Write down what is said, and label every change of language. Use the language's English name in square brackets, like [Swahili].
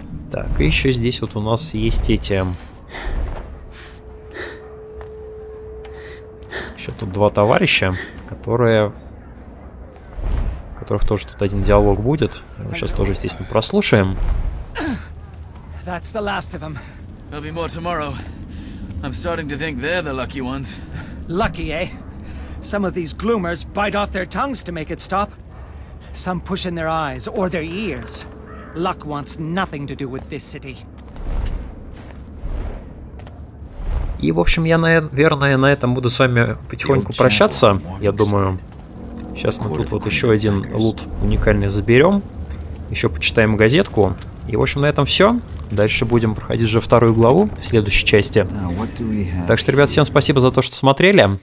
[Russian] Так, и еще здесь вот у нас есть эти Еще тут два товарища, которые... У которых тоже тут один диалог будет. Мы сейчас тоже, естественно, прослушаем. [English] That's the last of them. There'll be more tomorrow. I'm starting to think they're the lucky ones. Lucky, eh? Some of these gloomers bite off their tongues to make it stop. Some push in their eyes or their ears. Luck wants nothing to do with this city. [Russian] И, в общем, я, наверное, на этом буду с вами потихоньку прощаться, я думаю. Сейчас мы тут вот еще один лут уникальный заберем. Еще почитаем газетку. И, в общем, на этом все. Дальше будем проходить уже вторую главу в следующей части. Так что, ребят, всем спасибо за то, что смотрели.